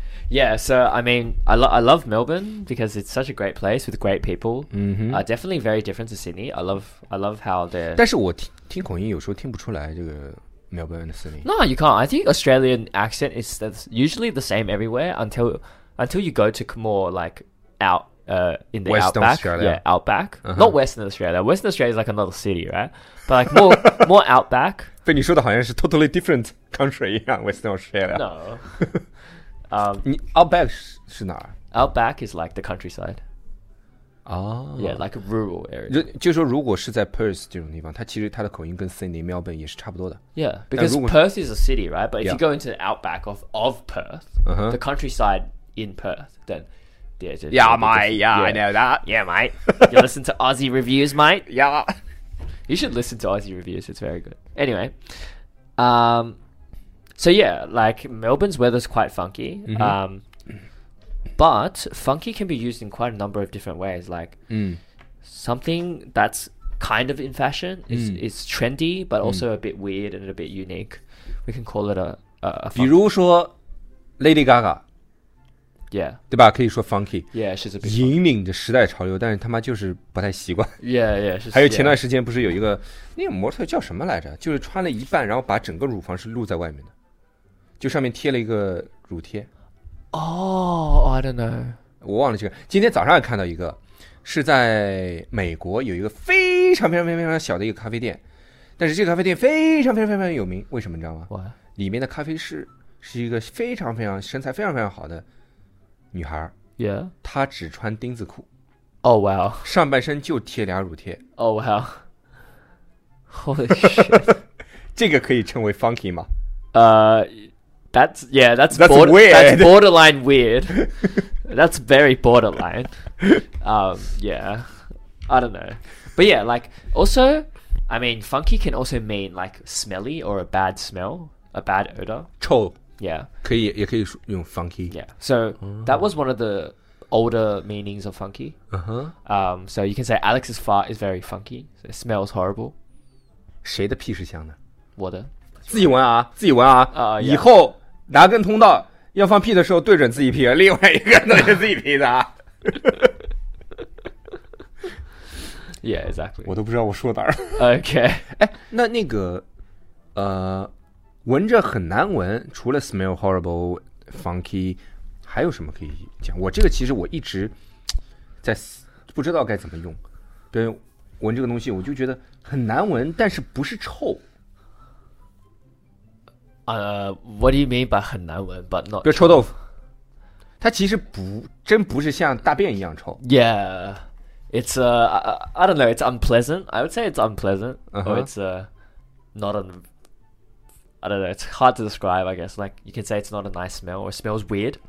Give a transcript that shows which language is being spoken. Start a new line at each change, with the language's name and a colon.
English: Yeah, so I mean, I love Melbourne because it's such a great place with great people. Mm-hmm. Definitely very different to Sydney. I love how the.
Chinese: 但是我听口音有时候听不出来这个 Melbourne 的 Sydney.
English: No, you can't. I think Australian accent is usually the same everywhere until you go to more like out. In the Western outback, Australia. Yeah, outback,、uh-huh. not Western Australia. Western Australia is like another city, right? But like more outback.
Chinese: 被你说的好像是
English: totally different country
Chinese: 一样 Western Australia.
English: No.
Chinese: outback 是哪儿？
English: Outback is like the countryside. Oh, yeah, like a rural area.
Chinese: 就说如果是在 Perth 这种地方，它其实它的口音跟 Sydney、Melbourne 也是差不多的。
English: Yeah, because Perth is a city, right? But if、yeah. you go into the outback of Perth,、 uh-huh. the countryside in Perth, then. Yeah, mate. I know that. Yeah, mate. You listen to Aussie reviews, mate? Yeah. You should listen to Aussie reviews. It's very good. Anyway, so yeah, like Melbourne's weather's quite funky. Mm-hmm. But funky can be used in quite a number of different ways. Like something that's kind of in fashion is trendy, but also a bit weird and a bit unique. We can call it a funky.
Chinese: 比如说 Lady Gaga.
English: Yeah.
Chinese: 对吧可以说 funky.
English: Yeah, she's a bit.
Chinese: 引领着时代潮流但是他妈就是不太习惯。
English: Yeah, yeah. She's,
Chinese: 还有前段时间不是有一个、yeah. 那个模特叫什么来着就是穿了一半然后把整个乳房是露在外面的。就上面贴了一个乳贴。
English: Oh, I don't know.
Chinese: 我忘了这个。今天早上也看到一个是在美国有一个非常非常非常非常小的一个咖啡店。但是这个咖啡店非常非常非常有名为什么你知道吗、
English: What?
Chinese: 里面的咖啡师是一个非常非常身材非常非常好的。女孩
English: yeah
Chinese: 她只穿钉子裤
English: oh wow
Chinese: 上半身就贴俩乳贴
English: oh wow holy shit
Chinese: 这个可以称为 funky 吗
English: that's borderline weird that's very borderline yeah I don't know but yeah like also I mean funky can also mean like smelly or a bad smell a bad odor
Chinese: 臭
English: Yeah.
Chinese: 可以也可以用 funky.
English: Yeah. So that was one of the older meanings of funky. Uh-huh. So you can say Alex's fart is very funky. So it smells horrible.
Chinese: 谁的屁是香的？我的。自己闻啊，自己闻啊。
English: Yeah.
Chinese: 以后拿根通道要放屁的时候对准自己屁，另外一个对准自己屁的。
English: yeah, exactly.
Chinese: 我都不知道我说哪儿。
English: Okay.
Chinese: 哎，那个，闻着很难闻，除了
English: smell horrible,
Chinese: funky, 还有什么可以讲？我这个其实我一直在不知道该怎么用。对，闻这个东西我就觉得很难闻，但是不是臭。
English: What do you mean by
Chinese: 很难闻
English: but not?
Chinese: 比如臭豆腐，它其实不真不是像大便一样臭。
English: Yeah, it's a I don't know. It's unpleasant. I would say it's unpleasant, or it's not an. I don't know, it's hard to describe, I guess. Like, you can say it's not a nice smell, or smells weird.